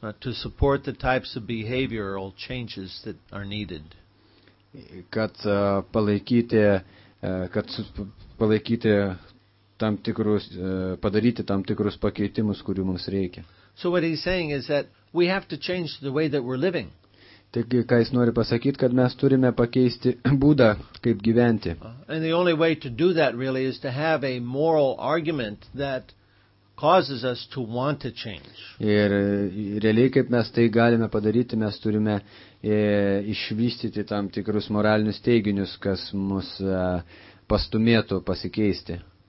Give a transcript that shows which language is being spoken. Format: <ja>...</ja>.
<en>To support the types of behavioral changes that are needed.</en> <lt>Kad palaikyti tam tikrus, padaryti tam tikrus pakeitimus, kurių mums reikia.</lt> <en>So what he's saying is that we have to change the way that we're living.</en> <lt>Taigi, ką jis nori pasakyti, kad mes turime pakeisti būdą, kaip gyventi.</lt> <en>And the only way to do that really is to have a moral argument that causes us to want to change.</en> <lt>Ir realiai, kaip mes tai galime padaryti, mes turime išvystyti tam tikrus moralinius teiginius, kas mus pastumėtų pasikeisti.</lt>